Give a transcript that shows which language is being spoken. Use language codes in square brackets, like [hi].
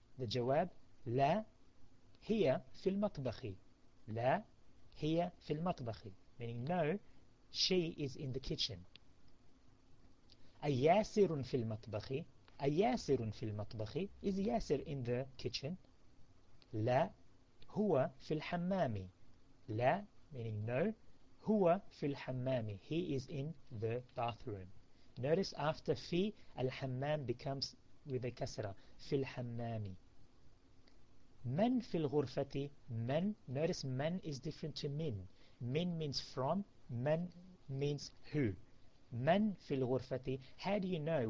[ar] The جواب, لا. هي في المطبخ. لا هي في المطبخ. [en] Meaning no, she is in the kitchen. [ar] أياسر في المطبخ. أياسر في المطبخ. [en] Is ياسر in the kitchen. [ar] لا هو في الحمام. لا [en] meaning no, [ar] هو في الحمام. [en] He is in the bathroom. Notice after [ar] في الحمام [en] becomes with a كسرة. [ar] في الحمام. من في الغرفة. من. [en] Notice من is different to من. من means from. من means who. [ar] من في الغرفة. [en] How do you know?